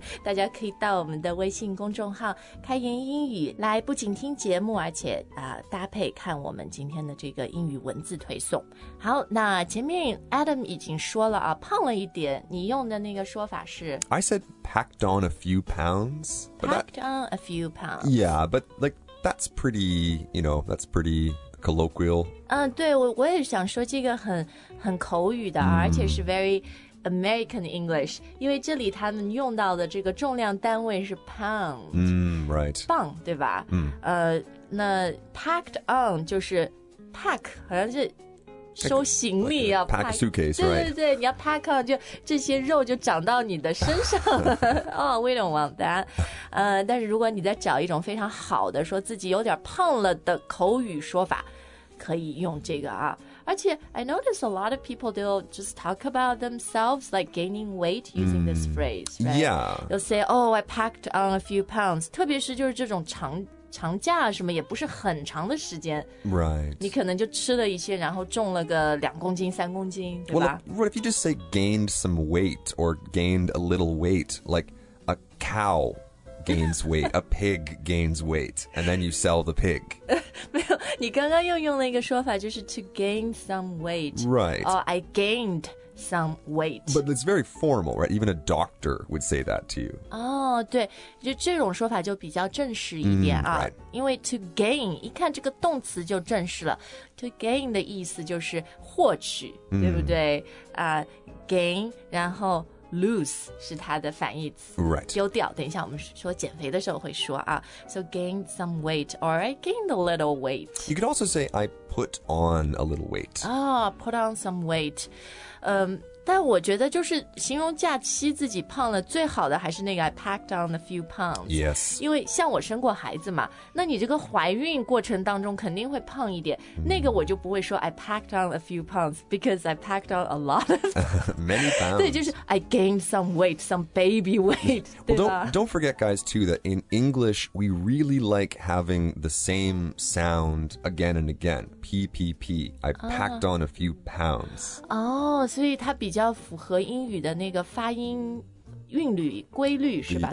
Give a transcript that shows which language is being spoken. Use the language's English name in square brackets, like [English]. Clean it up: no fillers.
[Chinese] 大家可以到我们的微信公众号开言英语来不仅听节目而且、搭配看我们今天的这个英语文字推送好那前面 Adam 已经说了啊，胖了一点你用的那个说法是 [English] I said packed on a few pounds Packed on a few pounds Yeah, but like that's pretty You know, that's pretty colloquial [Chinese] 嗯，对 我也想说这个很口语的、而且是 [English] very American English [Chinese] 因为这里他们用到的这个重量单位是 pound、 [English] Right [Chinese] 磅对吧、那 packed on 就是Pack 好像是收行李要 [English] pack suitcase [Chinese] 对对对、 [English] right. [Chinese] 你要 pack on 就这些肉就长到你的身上了、oh, [English] We don't want that、 [Chinese] 但是如果你再找一种非常好的说自己有点胖了的口语说法可以用这个啊而且 [English] I notice a lot of people they'll just talk about themselves like gaining weight using this phrase、right? Yeah They'll say Oh I packed on a few pounds [Chinese] 特别是就是这种长假什么也不是很长的时间 [English] Right [Chinese] 你可能就吃了一些然后重了个两公斤三公斤对吧 [English] Well, what if you just say gained some weight or gained a little weight like a cow gains weight a pig gains weight and then you sell the pig [Chinese] 没有你刚刚又用了一个说法就是 to gain some weight [English] Right Oh, I gainedsome weight. But it's very formal, right? Even a doctor would say that to you. [Chinese] Oh, 对，就这种说法就比较正式一点啊。 [English] Right. [Chinese] 因为 to gain, 一看这个动词就正式了。To gain 的意思就是获取，对不对？ gain, 然后 lose 是它的反义词。 [English] Right. [Chinese] 丢掉，等一下我们说减肥的时候会说啊。 [English] So gain some weight, or I gained a little weight. You could also say I put on a little weight. Oh, put on some weight. [Chinese] 但我觉得就是形容假期自己胖了最好的还是那个 [English] I packed on a few pounds Yes [Chinese] 因为像我生过孩子嘛那你这个怀孕过程当中肯定会胖一点、那个我就不会说 [English] I packed on a few pounds Because I packed on a lot of Many pounds [Chinese] 对就是 [English] I gained some weight Some baby weight Well, don't forget guys too That in English we really like having the same sound again and again PPP I packed on a few pounds [Chinese] 哦、所以它比较符合英语的那个发音韵律规律是吧